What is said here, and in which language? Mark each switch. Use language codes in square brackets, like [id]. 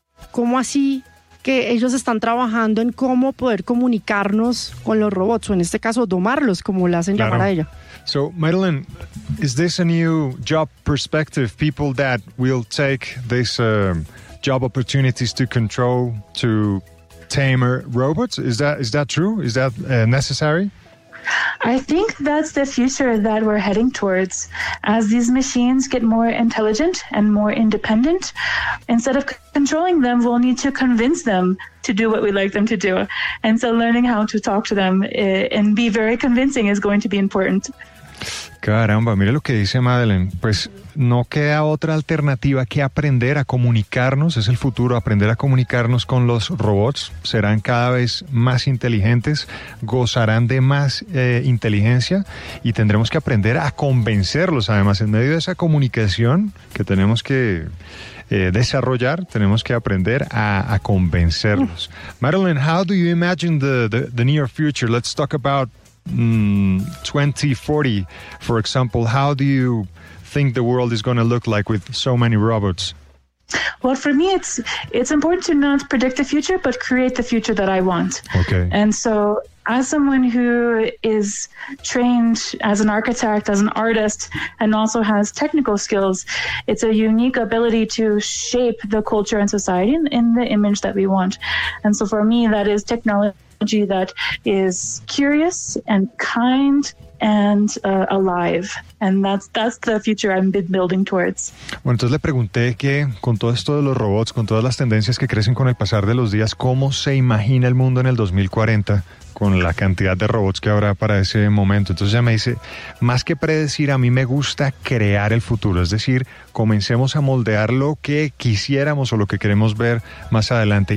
[es] ¿Cómo así que ellos están trabajando en cómo poder comunicarnos con los robots, o en este caso domarlos, como la hacen llamar a ella? [en] So, Madeleine, is this a new job perspective? People that will take this job opportunities to control, to tame robots? Is that true? Is that necessary? I think that's the future that we're heading towards. As these machines get more intelligent and more independent, instead of controlling them, we'll need to convince them to do what we like them to do. And so learning how to talk to them and be very convincing is going to be important. [es] Caramba, mire lo que dice Madeleine. Pues no queda otra alternativa que aprender a comunicarnos. Es el futuro, aprender a comunicarnos con los robots. Serán cada vez más inteligentes, gozarán de más inteligencia y tendremos que aprender a convencerlos. Además, en medio de esa comunicación que tenemos que desarrollar, tenemos que aprender a convencerlos. [en] Madeleine, how do you imagine the near future? Let's talk about 2040, for example. How do you think the world is going to look like with so many robots? Well, for me, it's important to not predict the future, but create the future that I want. Okay. And so as someone who is trained as an architect, as an artist, and also has technical skills, it's a unique ability to shape the culture and society in the image that we want. And so for me, that is technology that is curious and kind and alive, and that's the future I've been building towards. [es] Bueno, entonces le pregunté que con todo esto de los robots, con todas las tendencias que crecen con el pasar de los días, ¿cómo se imagina el mundo en el 2040 con la cantidad de robots que habrá para ese momento? Entonces ella me dice, más que predecir, a mí me gusta crear el futuro, es decir, comencemos a moldear lo que quisiéramos o lo que queremos ver más adelante.